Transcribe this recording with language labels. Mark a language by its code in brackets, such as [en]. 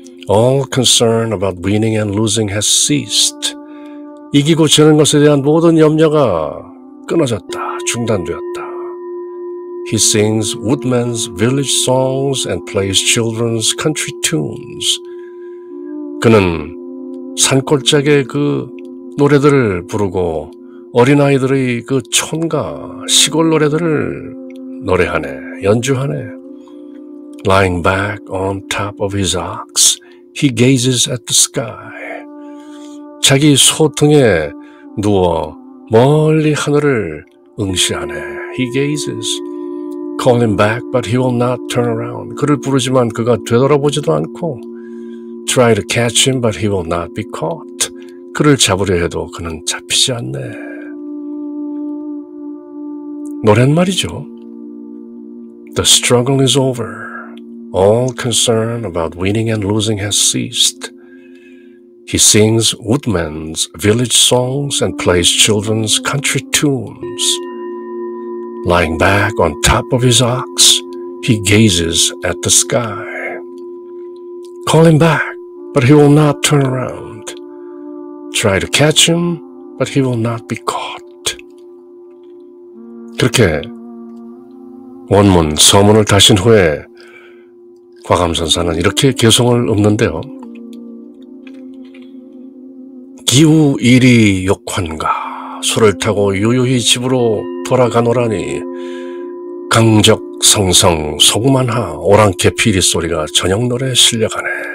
[en] All concern about winning and losing has ceased. [ko] 이기고 지는 것에 대한 모든 염려가 끊어졌다. 중단되었다. [en] He sings woodman's village songs and plays children's country tunes. [ko] 그는 산골짝의 그 노래들을 부르고 어린아이들의 그 촌가 시골 노래들을 노래하네, 연주하네. [en] Lying back on top of his ox, he gazes at the sky. [ko] 자기 소등에 누워 멀리 하늘을 응시하네. [en] He gazes. Call him back, but he will not turn around. [ko] 그를 부르지만 그가 되돌아보지도 않고. [en] Try to catch him, but he will not be caught. [ko] 그를 잡으려 해도 그는 잡히지 않네. 노랫말이죠. [en] The struggle is over. All concern about winning and losing has ceased. He sings woodman's village songs and plays children's country tunes. Lying back on top of his ox, he gazes at the sky. Call him back, but he will not turn around. Try to catch him, but he will not be caught. [ko] 그렇게 원문, 서문을 다신 후에 과감선사는 이렇게 개성을 읊는데요. 기우 이리 욕환가, 소를 타고 유유히 집으로 돌아가노라니 강적성성 속만하 오랑캐 피리 소리가 저녁 노래에 실려가네.